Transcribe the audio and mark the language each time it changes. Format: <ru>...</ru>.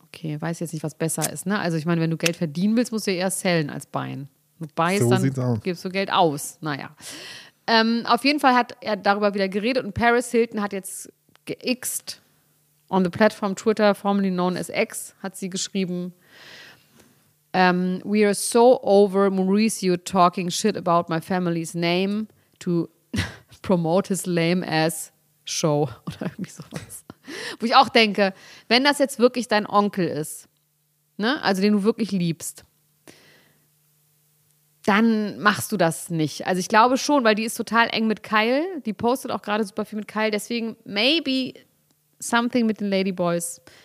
<de>Okay, weiß jetzt nicht, was besser ist. Ne? Also ich meine, wenn du Geld verdienen willst, musst du eher sellen als buyen. Du buyst, so dann gibst du Geld aus. Naja. Auf jeden Fall hat er darüber wieder geredet und Paris Hilton hat jetzt geixt</de> <en>on the platform Twitter, formerly known as X,</en> <de>hat sie geschrieben.</de> <en>We are so over Mauricio talking shit about my family's name to promote his lame ass show.</en> <de>Oder irgendwie sowas. Wo ich auch denke, wenn das jetzt wirklich dein Onkel ist, ne, also den du wirklich liebst, dann machst du das nicht. Also ich glaube schon, weil die ist total eng mit Kyle. Die postet auch gerade super viel mit Kyle. Deswegen</de> <en>maybe something</en> <de>mit den Ladyboys.</de>